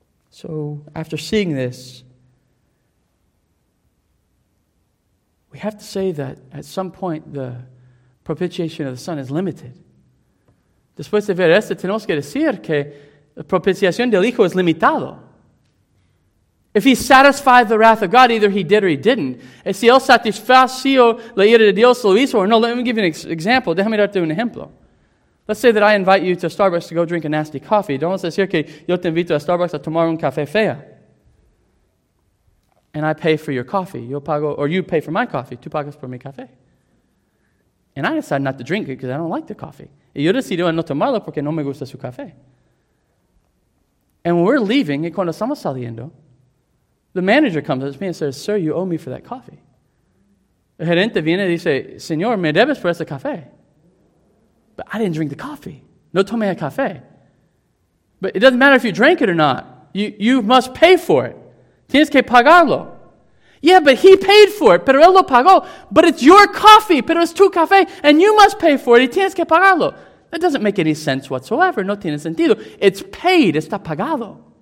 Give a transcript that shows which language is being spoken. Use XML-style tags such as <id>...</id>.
<en>So after seeing this, we have to say that at some point the propitiation of the Son is limited.</en> <es>Después de ver esto, tenemos que decir que la propiciación del Hijo es limitado.</es> <en>If he satisfied the wrath of God, either he did or he didn't.</en> <es>Si él satisfació la ira de Dios, lo hizo o no.</es> <en>Let me give you an example.</en> <es>Déjame darte un ejemplo.</es> <en>Let's say that I invite you to Starbucks to go drink a nasty coffee.</en> <es>Vamos a decir que yo te invito a Starbucks a tomar un café fea.</es> <en>And I pay for your coffee.</en> <es>Yo pago,</es> <en>or you pay for my coffee.</en> <es>Tú pagas por mi café.</es> <en>And I decide not to drink it because I don't like the coffee.</en> <es>Y yo decido no tomarlo porque no me gusta su café.</es> <en>And when we're leaving,</en> <es>y cuando estamos saliendo,</es> <en>the manager comes up to me and says, sir, you owe me for that coffee.</en> <es>El gerente viene y dice, señor, me debes por ese café.</es> <en>But I didn't drink the coffee.</en> <es>No tomé el café.</es> <en>But it doesn't matter if you drank it or not. You must pay for it.</en> <es>Tienes que pagarlo.</es> <en>Yeah, but he paid for it,</en> <es>pero él lo pagó.</es> <en>But it's your coffee,</en> <es>pero es tu café,</es> <en>and you must pay for it,</en> <es>y tienes que pagarlo.</es> <en>That doesn't make any sense whatsoever,</en> <es>no tiene sentido.</es> <en>It's paid,</en> <es>está pagado.</es>